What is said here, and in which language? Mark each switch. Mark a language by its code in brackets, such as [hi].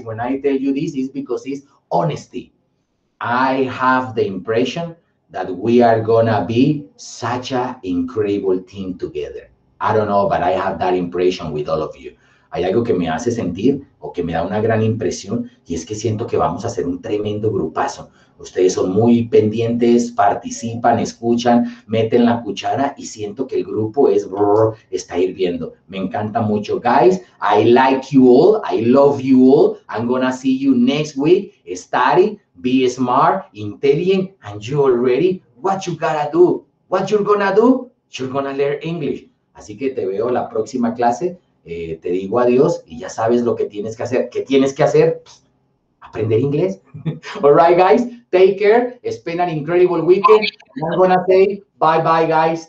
[en] When I tell you this, it's because it's honesty. I have the impression that we are going to be such an incredible team together. I don't know, but I have that impression with all of you. [es] Hay algo que me hace sentir o que me da una gran impresión y es que siento que vamos a hacer un tremendo grupazo. Ustedes son muy pendientes, participan, escuchan, meten la cuchara y siento que el grupo es está hirviendo. Me encanta mucho. [en] Guys, I like you all. I love you all. I'm gonna see you next week. Study, be smart, intelligent, and you already, what you gotta do? What you're gonna do? You're gonna learn English. [es] Así que te veo la próxima clase. Te digo adiós y ya sabes lo que tienes que hacer. ¿Qué tienes que hacer? Pues, aprender inglés. [en] All right, guys. Take care. It's been an incredible weekend. And I'm going to say bye-bye, guys.